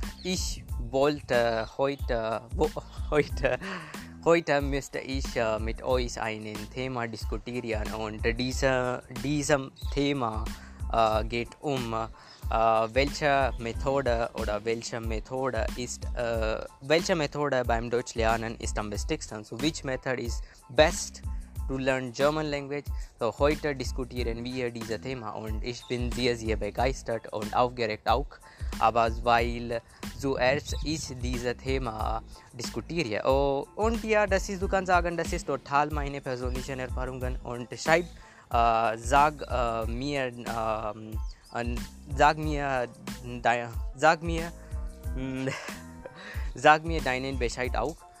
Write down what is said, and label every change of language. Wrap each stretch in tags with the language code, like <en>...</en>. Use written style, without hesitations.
<de>Ich wollte heute müsste ich mit euch ein Thema diskutieren und diesem Thema geht um welche Methode beim Deutschlernen ist am besten.</de> <en>So which method is best to learn German language.</en> <de>So heute diskutieren wir dieses Thema und ich bin sehr, sehr begeistert und aufgeregt auch. Aber weil zuerst ich dieses Thema diskutiere. Oh, und ja, das ist, du kannst sagen, das ist total meine persönlichen Erfahrungen. Und schreib, sag mir deinen Bescheid auch.</de>